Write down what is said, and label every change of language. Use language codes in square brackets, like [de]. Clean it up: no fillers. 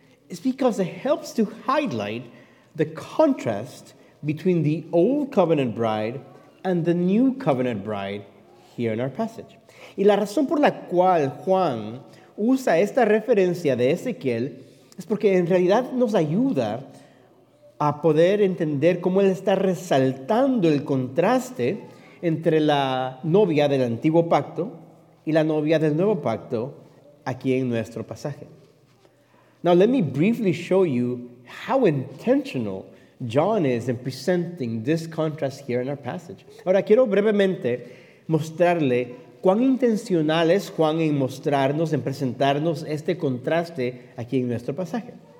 [en] is because it helps to highlight the contrast between the old covenant bride and the new covenant bride here in our passage. [es] Y la razón por la cual Juan usa esta referencia de Ezequiel es porque en realidad nos ayuda a poder entender cómo él está resaltando el contraste entre la novia del antiguo pacto y la novia del nuevo pacto aquí en nuestro pasaje. [en] Now let me briefly show you how intentional John is in presenting this contrast here in our passage. [es] Ahora quiero brevemente mostrarle cuán intencional es Juan en mostrarnos, en presentarnos este contraste aquí en nuestro pasaje.